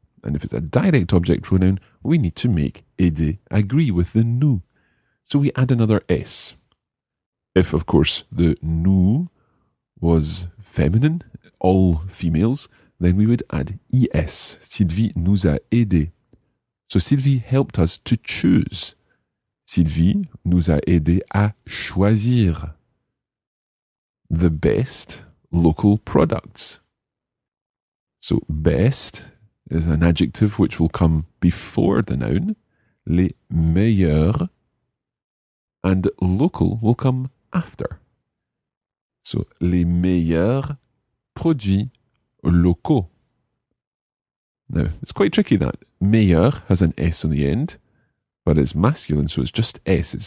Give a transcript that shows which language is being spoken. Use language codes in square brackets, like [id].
[en] And if it's a direct object pronoun, we need to make aider agree with the nous. So we add another S. If, of course, the nous was feminine, all females, then we would add ES. [fr] Sylvie nous a aidé. [en] So Sylvie helped us to choose. [fr] Sylvie nous a aidé à choisir [en] the best local products. So best is an adjective which will come before the noun, [fr] les meilleurs, [en] and local will come after. [fr] So les meilleurs produits locaux. [en] Now, it's quite tricky that meilleur has an S on the end, but it's masculine, so it's just S.